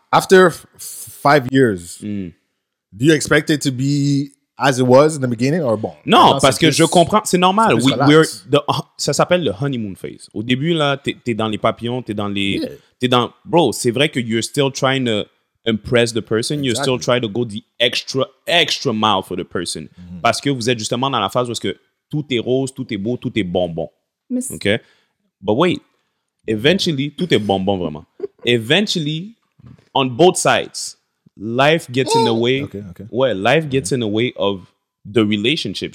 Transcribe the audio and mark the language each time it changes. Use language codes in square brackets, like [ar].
[en] After 5 years, do you expect it to be as it was in the beginning or bon? [fr] Non, parce que je comprends, c'est normal. Ça s'appelle le honeymoon phase. Au début, là, t'es dans les papillons, bro, c'est vrai que [en] you're still trying to impress the person. Exactly. You're still trying to go the extra mile for the person. Mm-hmm. [fr] Parce que vous êtes justement dans la phase où est-ce que tout est rose, tout est beau, tout est bonbon. [en] Okay? But wait, eventually, [fr] tout est bonbon vraiment. [en] Eventually, on both sides, life gets in the way. Okay. Well, life gets in the way of the relationship.